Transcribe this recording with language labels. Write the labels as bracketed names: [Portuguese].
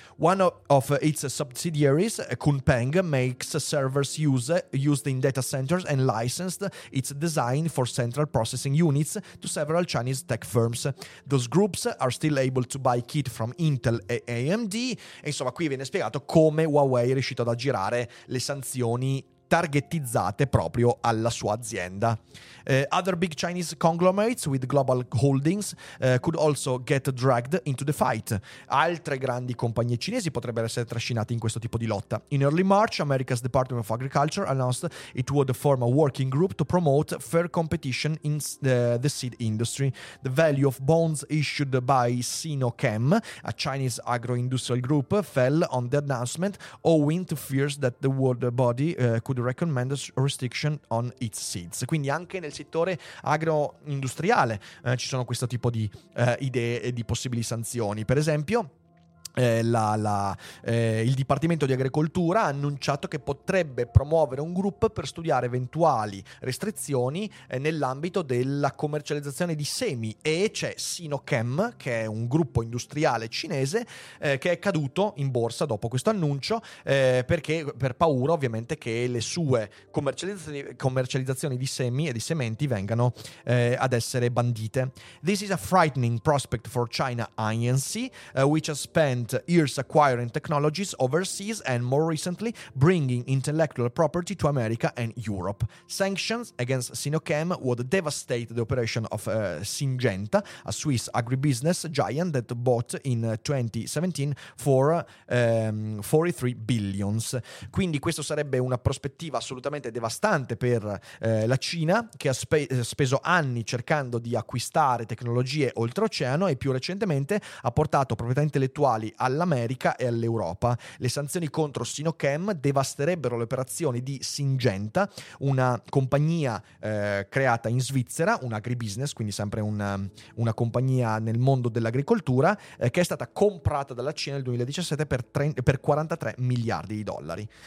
[English] One of its subsidiaries, Kunpeng, makes servers used in data centers and licensed its design for central processing units to serve several Chinese tech firms. Those groups are still able to buy kit from Intel e AMD. [Italian] E insomma, qui viene spiegato come Huawei è riuscito ad aggirare le sanzioni targetizzate proprio alla sua azienda. [English] Other big Chinese conglomerates with global holdings could also get dragged into the fight. [Italian] Altre grandi compagnie cinesi potrebbero essere trascinate in questo tipo di lotta. [English] In early March, America's Department of Agriculture announced it would form a working group to promote fair competition in the seed industry. The value of bonds issued by Sinochem, a Chinese agro-industrial group, fell on the announcement, owing to fears that the world body could recommend restriction on its seeds. [Italian] Quindi anche nel settore agro-industriale ci sono questo tipo di idee e di possibili sanzioni. Per esempio il Dipartimento di Agricoltura ha annunciato che potrebbe promuovere un gruppo per studiare eventuali restrizioni nell'ambito della commercializzazione di semi, e c'è Sinochem, che è un gruppo industriale cinese che è caduto in borsa dopo questo annuncio perché per paura ovviamente che le sue commercializzazioni di semi e di sementi vengano ad essere bandite. [English] This is a frightening prospect for China Inc., which has spent years acquiring technologies overseas and more recently bringing intellectual property to America and Europe. Sanctions against Sinochem would devastate the operation of Syngenta, a Swiss agribusiness giant that bought in 2017 for $43 billion. [Italian] Quindi questo sarebbe una prospettiva assolutamente devastante per la Cina, che ha speso anni cercando di acquistare tecnologie oltreoceano e più recentemente ha portato proprietà intellettuali all'America e all'Europa. Le sanzioni contro Sinochem devasterebbero le operazioni di Syngenta, una compagnia creata in Svizzera, un agribusiness, quindi sempre una compagnia nel mondo dell'agricoltura, che è stata comprata dalla Cina nel 2017 per 43 miliardi di dollari.